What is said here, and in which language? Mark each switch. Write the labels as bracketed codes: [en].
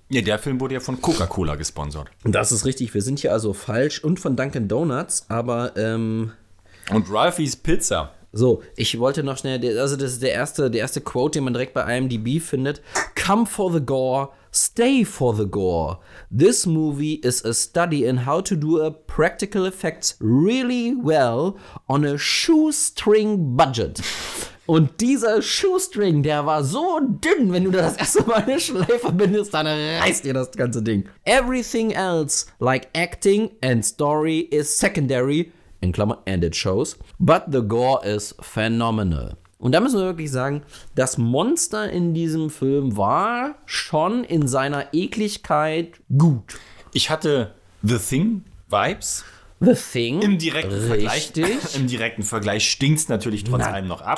[de] Ja, der Film wurde ja von Coca-Cola gesponsert. Das ist richtig. Wir sind hier also falsch. Und von Dunkin' Donuts, aber Und Ralphie's Pizza. So, ich wollte noch schnell, also das ist der erste Quote, den man direkt bei IMDb findet. [en] Come for the gore, stay for the gore. This movie is a study in how to do a practical effects really well on a shoestring budget. [de] Und dieser Shoestring, der war so dünn, wenn du da das erste Mal eine Schleife bindest, dann reißt dir das ganze Ding. [en] Everything else, like acting and story, is secondary. [de] In Klammern, [en] and it shows. But the gore is phenomenal. [de] Und da müssen wir wirklich sagen, das Monster in diesem Film war schon in seiner Ekligkeit gut. Ich hatte The Thing Vibes. The Thing. Im direkten Vergleich. Im direkten Vergleich stinkt es natürlich trotz allem noch ab.